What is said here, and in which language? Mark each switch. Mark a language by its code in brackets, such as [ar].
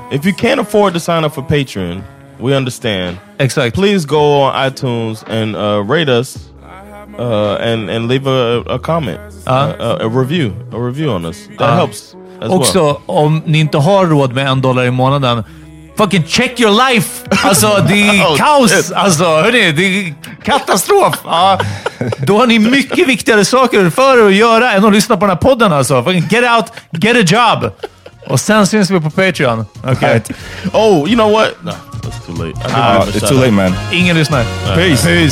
[en] If you can't afford to sign up for Patreon, we understand. Exactly. Please go on iTunes and rate us and leave a comment. A review on us. That helps. [sv] Också, [en] well. [sv] Om ni inte har råd med $1 i månaden, [en] fucking check your life! [sv] Alltså, det är kaos! Alltså, hörni, det är katastrof! Ja, då har ni mycket viktigare saker för att göra än att lyssna på den här podden, alltså. [en] Fucking get out, get a job! [sv] Och sen syns vi på Patreon. Okay. [en] Right. Oh, you know what? No, that's too late. It's too late, man. [sv] Ingen lyssnar. [en] Peace.